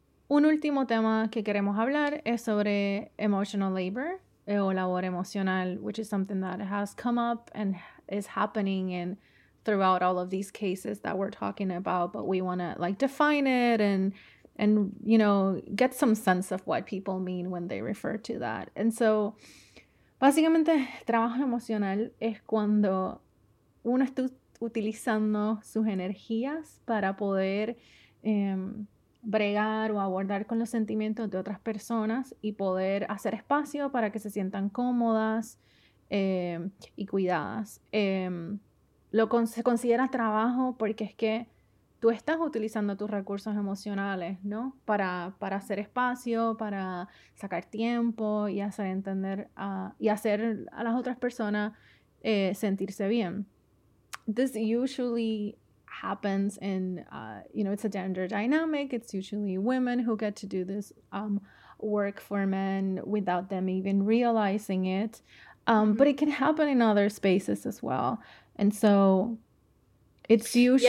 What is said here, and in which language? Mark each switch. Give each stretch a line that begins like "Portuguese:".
Spanish: Un último tema que queremos hablar es
English: sobre emotional labor,
Spanish: o labor emocional,
English: which is something that has come up and is happening in throughout all of these cases that we're talking about, but we want to, like, define it and you know, get some sense of what people mean when they refer to that.
Spanish: And so, básicamente, trabajo emocional es cuando uno está utilizando sus energías para poder bregar o abordar con los sentimientos de otras personas y poder hacer espacio para que se sientan cómodas y cuidadas. Se considera trabajo porque es que tú estás utilizando tus recursos emocionales, ¿no? Para hacer espacio, para sacar tiempo y hacer entender y hacer a las otras personas sentirse bien.
English: This usually happens in, you know, it's a gender dynamic. It's usually women who get to do this work for men without them even realizing it. But it can happen in other spaces as well. And so it's usually...